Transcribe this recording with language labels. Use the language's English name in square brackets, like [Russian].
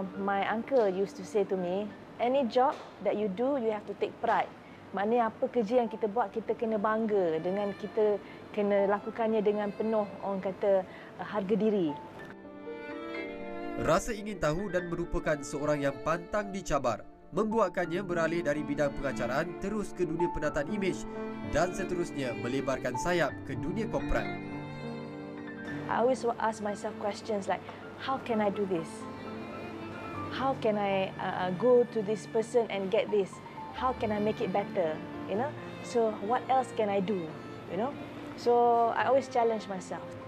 [English] My uncle used to say to me, any job that you do you have to take pride. [Malay] Maknanya apa kerja yang kita buat, kita kena bangga dengan kita kena lakukannya dengan penuh, orang kata, harga diri. Rasa ingin tahu dan merupakan seorang yang pantang dicabar membuatkannya beralih dari bidang pengacaraan terus ke dunia penataan imej dan seterusnya melebarkan sayap ke dunia korporat. [English] I always ask myself questions like, how can I do this? How can I go to this person and get this? How can I make it better, you know? So what else can I do, you know? So I always challenge myself.